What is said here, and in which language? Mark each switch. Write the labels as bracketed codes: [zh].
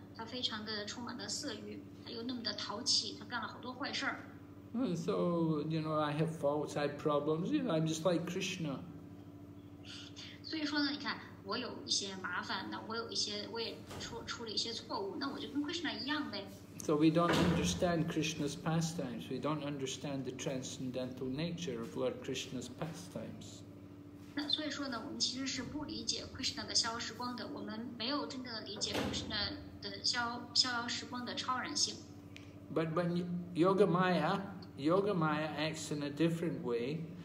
[zh] 他非常的充满了色欲，他又那么的淘气，他干了好多坏事。 [en] So you know, I have faults, I have problems. You know, I'm just like Krishna. [zh] 所以说呢，你看我有一些麻烦，那我有一些，我也出了一些错误，那我就跟 Krishna 一样呗。 [en] So we don't understand Krishna's pastimes. We don't understand the transcendental nature of Lord Krishna's pastimes. [zh] 那所以说呢，我们其实是不理解 Krishna 的逍遥时光的，我们没有真正的理解 Krishna。 [en] But when Yoga Maya acts in a different way.